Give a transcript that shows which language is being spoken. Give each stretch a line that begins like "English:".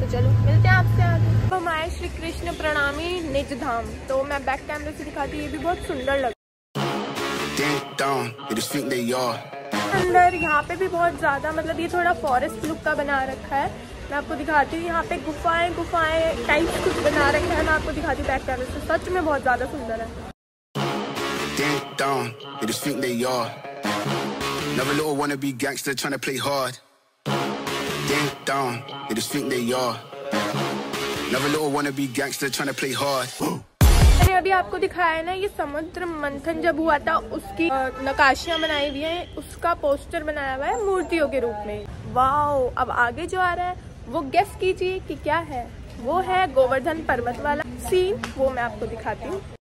Hindi: तो चलो मिलते हैं आपसे आगे। तो हम आए श्री कृष्ण प्रणामी निज धाम, तो मैं बैक कैमरे से दिखाती हूँ, ये भी बहुत सुंदर लग रहा है। अंदर यहाँ पे भी बहुत ज़्यादा, मतलब ये थोड़ा फॉरेस्ट लुक का बना रखा है। मैं आपको दिखाती हूँ यहाँ पे गुफाएं गुफाएं टाइप कुछ बना रखे हैं, मैं आपको दिखाती हूँ बैक कैमरे से। सच में बहुत ज़्यादा सुंदर है।
English: Another little wannabe gangster trying to play hard. Dang down, they just think they are. Another little wannabe gangster trying to play hard.
Hindi: मैंने अभी आपको दिखाया है ना, ये समुद्र मंथन जब हुआ था उसकी नकाशियां बनाई हुई हैं, उसका पोस्टर बनाया हुआ है मूर्तियों के रूप में। वाओ, अब आगे जो आ रहा है वो गेस कीजिए कि क्या है। वो है गोवर्धन पर्वत वाला सीन, वो मैं आपको दिखाती हूँ।